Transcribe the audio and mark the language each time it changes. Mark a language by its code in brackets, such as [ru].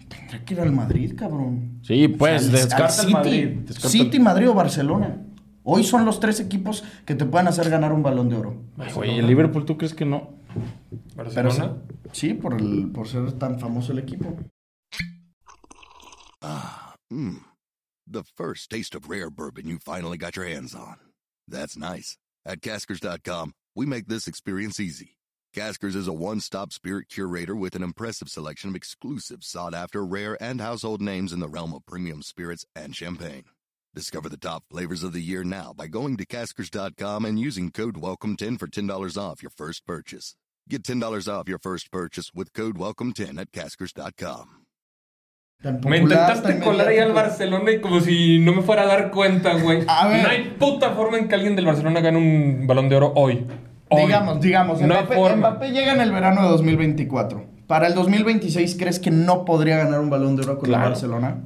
[es] Tendrá que ir al Madrid, cabrón. Sí, pues, o sea, descarta City, Madrid. Descarta. City, Madrid o Barcelona. Hoy son los tres equipos que te pueden hacer ganar un Balón de Oro. Oye, el Liverpool, ¿tú crees que no? ¿Barcelona? Pero, sí, por ser tan famoso el equipo. [en] The first taste of rare bourbon you finally got your hands on. That's nice. At Caskers.com, we make this experience easy. Caskers is a one-stop spirit curator with an impressive selection of exclusive, sought-after, rare, and household names in the realm of premium spirits and champagne. Discover the top flavors of the year now by going to Caskers.com and using code WELCOME10 for $10 off your first purchase. Get $10 off your first purchase with code WELCOME10 at Caskers.com. [es] Popular, me intentaste colar ahí al Barcelona y como si no me fuera a dar cuenta, güey. No hay puta forma en que alguien del Barcelona gane un Balón de Oro hoy. Digamos, no Mbappé llega en el verano de 2024. Para el 2026, ¿crees que no podría ganar un Balón de Oro con el Barcelona?